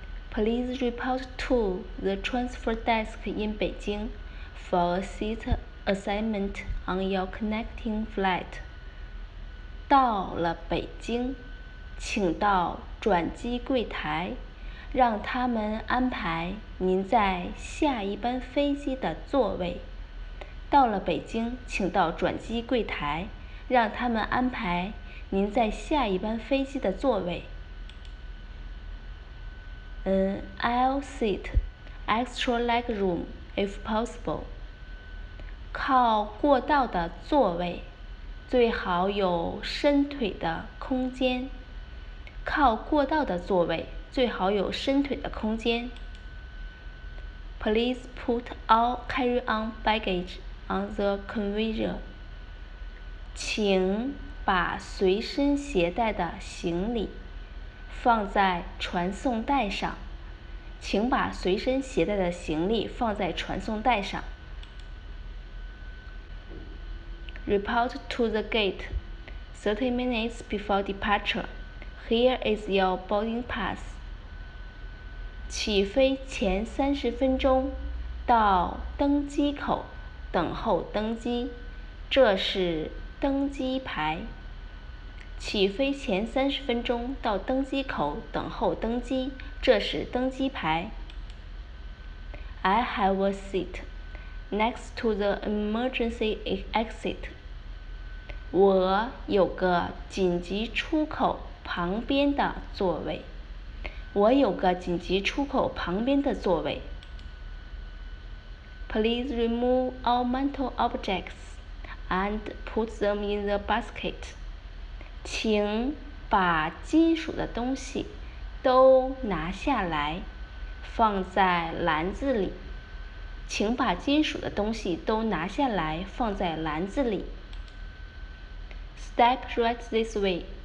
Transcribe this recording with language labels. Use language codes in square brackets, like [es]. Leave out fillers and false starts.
[en] Please report to the transfer desk in Beijing for a seat assignment on your connecting flight. [zh] 到了北京，请到转机柜台，让他们安排您在下一班飞机的座位。到了北京，请到转机柜台，让他们安排您在下一班飞机的座位。 [en] I'll sit extra leg room if possible. [zh] 靠过道的座位，最好有伸腿的空间。靠过道的座位，最好有伸腿的空间。 [en] Please put all carry-on baggage on the conveyor. [zh] 请把随身携带的行李放在传送带上。请把随身携带的行李放在传送带上。 [en] Report to the gate 30 minutes before departure. Here is your boarding pass. [zh] 起飞前30分钟到登机口等候登机，这是登机牌。起飞前30分钟到登机口等候登机，这是登机牌。 [en] I have a seat next to the emergency exit. [zh] 我有个紧急出口旁边的座位。我有个紧急出口旁边的座位。 [en] Please remove all mental objects and put them in the basket. [zh] 请把金属的东西都拿下来，放在篮子里。请把金属的东西都拿下来，放在篮子里。 [en] Step right this way.